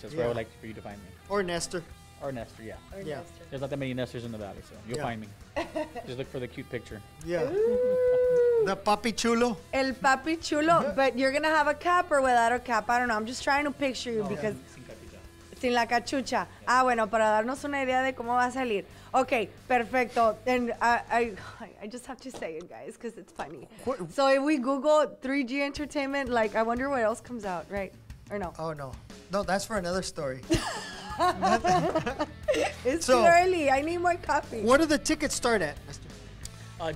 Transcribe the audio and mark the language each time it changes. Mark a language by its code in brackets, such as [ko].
[en] That's where I would like for you to find me. Or Nestor. Or Nestor, yeah. Or Nestor. There's not that many Nestors in the valley, so you'll find me. Just look for the cute picture. Yeah. The papi chulo. El papi chulo. But you're going to have a cap or without a cap? I don't know. I'm just trying to picture you because... [es] Sin la cachucha. Yeah. Ah, bueno, para darnos una idea de cómo va a salir. Okay, perfecto. [en] And I just have to say it, guys, because it's funny. What? So if we Google 3G Entertainment, like, I wonder what else comes out, right? Or no? Oh, no. No, that's for another story. It's too early. I need more coffee. What do the tickets start at, Mr.?